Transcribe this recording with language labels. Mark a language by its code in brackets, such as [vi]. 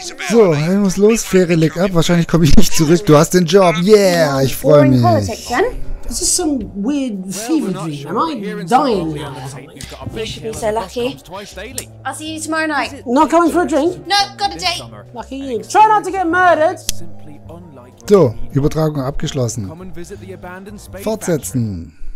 [de] So, er muss los, Fähre leg ab, wahrscheinlich komme ich nicht zurück, du hast den Job, yeah, ich freue mich. [en] This is some weird fever dream. Am I dying now? You should be so lucky. I'll see you tomorrow night. Not going for a drink? No, got a date. Lucky you. Try not to get murdered. [de] So, Übertragung abgeschlossen. Fortsetzen.